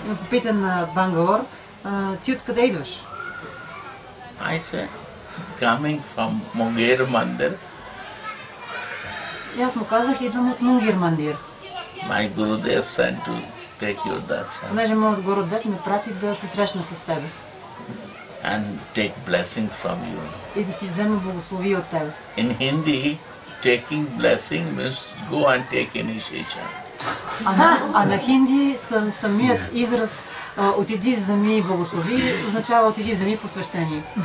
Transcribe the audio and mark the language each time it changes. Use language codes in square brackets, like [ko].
[bg] Питан на Бангалор, ти откъде идваш? [en] I said, coming from Mungir Mandir. [bg] Аз му казах, идвам от Mungir Mandir. [en] My Gurudev sent to take your darshan. [bg] Понеже моят Гурудев ме прати да се срещна с теб. [en] And take blessing from you. [bg] И да си взема благословие от теб. [en] In Hindi, taking blessing means go and take initiation. [bg] А на хинди самият израз отиди вземи благослови означава отиди вземи посвещение.